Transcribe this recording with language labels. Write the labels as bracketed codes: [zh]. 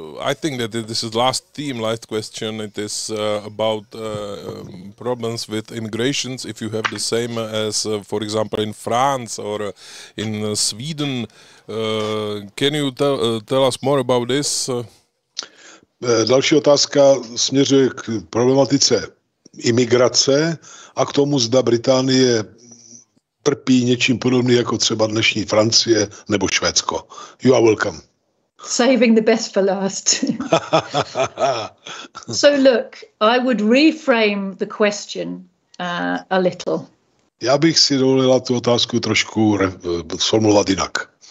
[en] I think that this is last theme, last question. It is about problems with immigrations. If you have the same as, for example, in France or in Sweden, can you tell us more about this? [cs] Další otázka směřuje k problematice imigrace a k tomu, zda Británie trpí něčím podobným jako třeba dnešní Francie nebo Švédsko. [en] You are welcome. Saving the best for last. So look, I would reframe the question a little. [cs] Já bych si dovolila tu otázku trošku formulovat jinak.